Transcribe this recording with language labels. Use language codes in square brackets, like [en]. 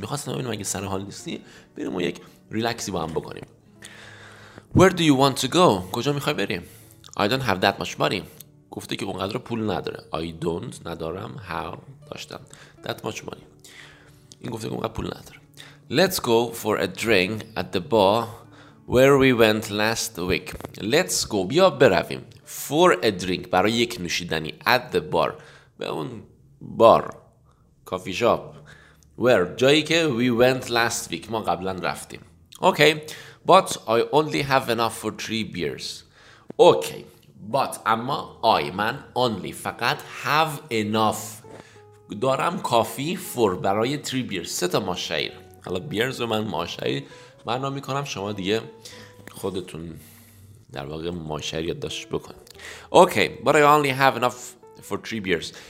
[fa] میخواستم ببینم اگه سر حال نیستی بریم و یک ریلکسی با هم بکنیم. [en] Where do you want to go؟ [fa] کجا میخوای بریم؟ [en] I don't have that much money. [fa] گفته که اونقدر پول نداره. [en] I don't، [fa] ندارم، [en] how، [fa] داشتم، [en] that much money، [fa] این گفته که اونقدر پول نداره. [en] Let's go for a drink at the bar where we went last week. Let's go، [fa] بیا برویم. [en] For a drink، [fa] برای یک نوشیدنی. [en] At the bar، [fa] به اون بار، کافی شاپ. [en] Where، [fa] جایی که [en] we went last week، [fa] ما قبلا رفتیم. [en] Okay، but I only have enough for 3 beers. Okay، but [fa] اما [en] I، [fa] من [en] only، [fa] فقط [en] have enough، [fa] دارم کافی، [en] for، [fa] برای [en] 3 beers، 3 [fa] ماشایر. حالا beers رو من ماشایر معنا میکنم، شما دیگه خودتون در واقع ماشایر یادداشت بکن. [en] Okay، but I only have enough for 3 beers.